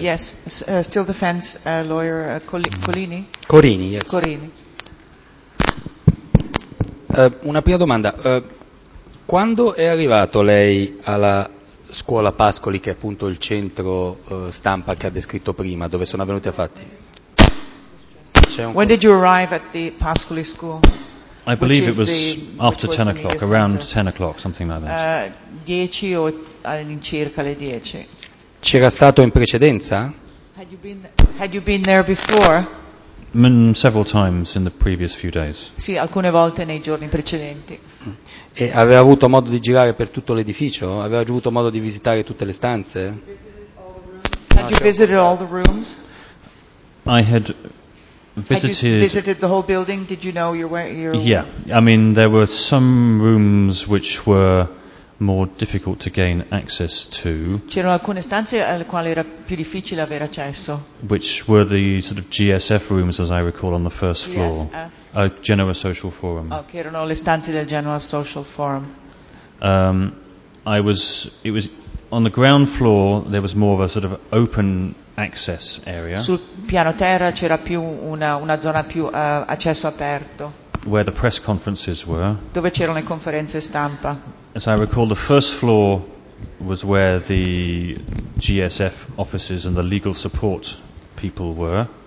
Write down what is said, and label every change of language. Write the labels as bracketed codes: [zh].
[en] Yes, still defense lawyer Colini. Corini, yes. Corini. [it] Una prima domanda. Quando è arrivato lei alla Scuola Pascoli, che è appunto il centro stampa che ha descritto prima, dove sono avvenuti i fatti? [en] When did you arrive at the Pascoli School? I believe it was after 10 o'clock, around 10 o'clock, something like that. [it] 10 o all'incirca le 10. C'era stato in precedenza? [en] Had you been there before? Several times in the previous few days. [it] Sì, alcune volte nei giorni precedenti. E aveva avuto modo di girare per tutto l'edificio? Aveva già avuto modo di visitare tutte le stanze? [en] Had you visited all the rooms? I had visited. Had you visited the whole building? Did you know your? Yeah, I mean, there were some rooms which were more difficult to gain access to. [it] C'erano alcune stanze alle quali era più difficile avere accesso. [en] Which were the sort of GSF rooms, as I recall, on the first floor. GSF. Genoa Social Forum. [it] Okay, erano le stanze del Genoa Social Forum. [en] It was on the ground floor. There was more of a sort of open access area. [it] Sul piano terra c'era più una zona più accesso aperto. [en] where the press conferences were. [it] Dove c'erano le conferenze stampa. [en] As I recall, the first floor was where the GSF offices and the legal support people were.